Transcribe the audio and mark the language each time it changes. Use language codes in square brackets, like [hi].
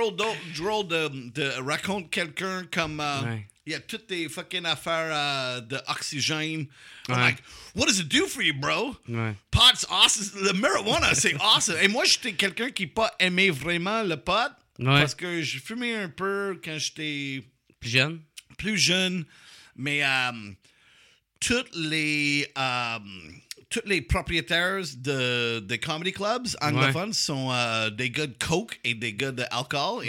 [fr] C'est bien trop drôle de raconter quelqu'un comme il y a toutes tes fucking affaires d'oxygène. [en] Like, what does it do for you, bro? [fr] Ouais. [en] Pot's awesome. [fr] Le marijuana, c'est awesome. Et moi, j'étais quelqu'un qui pas aimé vraiment le pot parce que j'ai fumé un peu quand j'étais plus jeune. Mais Tous les propriétaires de comedy clubs anglophones sont des gars de coke et des gars d'alcool.